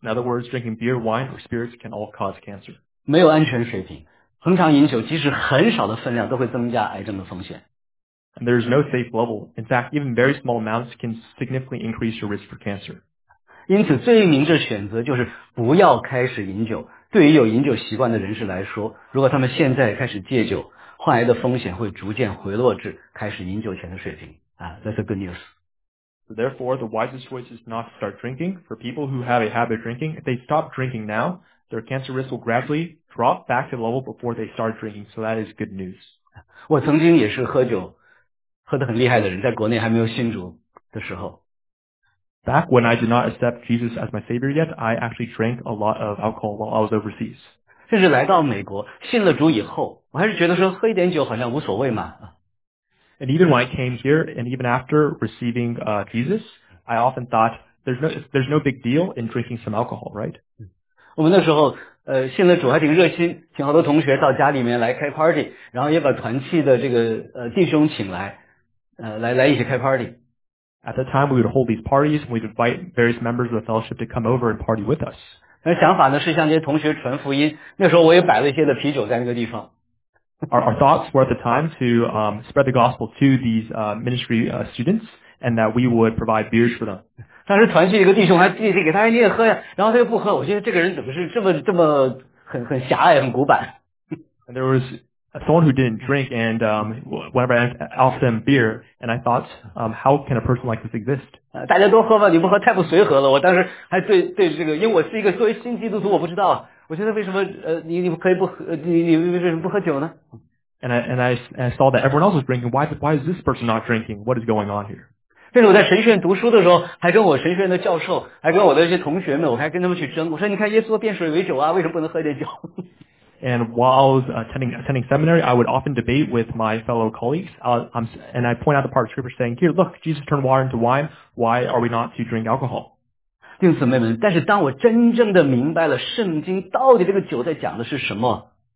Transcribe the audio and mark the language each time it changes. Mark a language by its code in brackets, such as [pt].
[en] In other words, drinking beer, wine, or spirits can all cause cancer. [zh] 没有安全水平，恒常饮酒即使很少的分量都会增加癌症的风险。 [en] And there is no safe level. In fact, even very small amounts can significantly increase your risk for cancer. [zh] 因此最明智的选择就是不要开始饮酒。对于有饮酒习惯的人士来说，如果他们现在开始戒酒，患癌的风险会逐渐回落至开始饮酒前的水平。 [en] That's a good news. So therefore, the wisest choice is not to start drinking. For people who have a habit of drinking, if they stop drinking now, their cancer risk will gradually drop back to the level before they start drinking. So that is good news. [zh] 我曾经也是喝酒喝得很厉害的人，在国内还没有信主的时候。 [en] Back when I did not accept Jesus as my savior yet, I actually drank a lot of alcohol while I was overseas. [zh] 甚至来到美国，信了主以后，我还是觉得说喝一点酒好像无所谓嘛。 [en] And even when I came here, and even after receiving Jesus, I often thought there's no big deal in drinking some alcohol, right? [zh] 我们那时候信了主还挺热心，请好多同学到家里面来开 party， 然后也把团契的这个弟兄请来，来一起开 party。 [en] At the time, we would hold these parties, and we'd invite various members of the fellowship to come over and party with us. [zh] 那想法呢是向这些同学传福音。那时候我也摆了一些的啤酒在那个地方。 [en] Our thoughts were at the time to spread the gospel to these ministry students, and that we would provide beers for them. [zh] 当时团契一个弟兄还递给他，你也喝呀，然后他又不喝。我觉得这个人怎么是这么很狭隘，很古板。 [en] And there was someone who didn't drink, and whenever I offered them beer, and I thought, how can a person like this exist? [zh] 大家都喝吧，你不喝太不随和了。我当时还对这个，因为我是一个作为新基督徒，我不知道，我觉得为什么你可以不喝，你为什么不喝酒呢？ [en] And I saw that everyone else was drinking. Why is this person not drinking? What is going on here? [zh] 甚至我在神学院读书的时候，还跟我神学院的教授，还跟我的一些同学们，我还跟他们去争。我说，你看耶稣变水为酒啊，为什么不能喝点酒？ [en] And while I was attending seminary, I would often debate with my fellow colleagues. And I point out the part of scripture saying, here, look, Jesus turned water into wine. Why are we not to drink alcohol? [zh] 弟兄姊妹们，但是当我真正的明白了圣经到底这个酒在讲的是什么。